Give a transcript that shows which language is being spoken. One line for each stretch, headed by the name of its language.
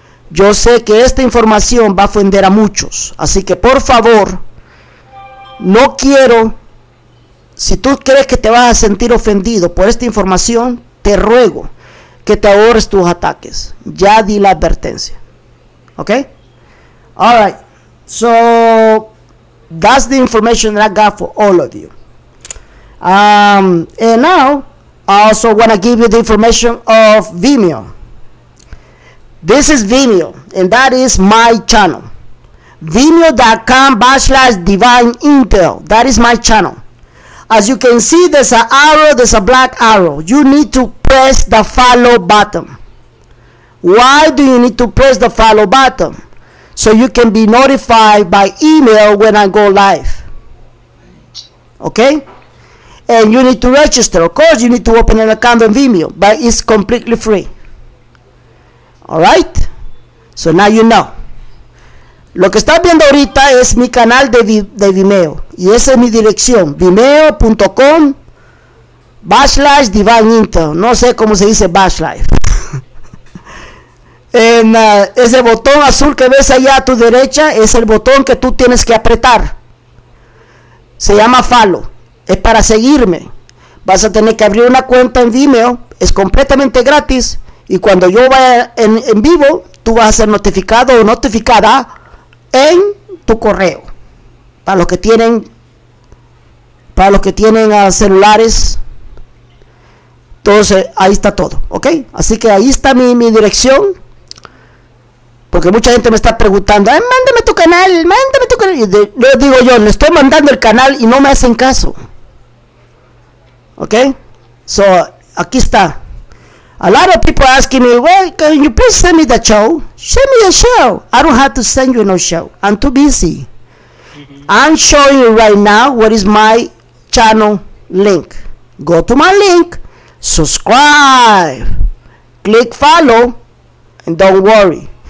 Spanish: Yo sé que esta información va a ofender a muchos. Así que, por favor, no quiero... Si tú crees que te vas a sentir ofendido por esta información, te ruego que te ahorres tus ataques. Ya di la advertencia. ¿Ok?
English: All right. So, that's the information that I got for all of you. And now, I also want to give you the information of Vimeo. This is Vimeo, and that is my channel. Vimeo.com/divineintel. That is my channel. As you can see, there's an arrow, there's a black arrow. You need to press the follow button. Why do you need to press the follow button? So you can be notified by email when I go live. Okay? And you need to register. Of course, you need to open an account on Vimeo, but it's completely free. All right, so now you know.
Spanish: Lo que estás viendo ahorita es mi canal de Vimeo. Y esa es mi dirección, vimeo.com/divineintel. No sé cómo se dice /live. En ese botón azul que ves allá a tu derecha es el botón que tú tienes que apretar. Se llama follow. Es para seguirme. Vas a tener que abrir una cuenta en Vimeo. Es completamente gratis. Y cuando yo vaya en vivo, tú vas a ser notificado o notificada en tu correo. Para los que tienen celulares, entonces ahí está todo, ¿ok? Así que ahí está mi dirección, porque mucha gente me está preguntando, mándame tu canal. Y yo digo yo, le estoy mandando el canal y no me hacen caso. ¿Ok? So, aquí está.
English: A lot of people asking me, well, can you please send me the show? Send me a show. I don't have to send you no show. I'm too busy. Mm-hmm. I'm showing you right now what is my channel link. Go to my link, subscribe, click follow, and don't worry.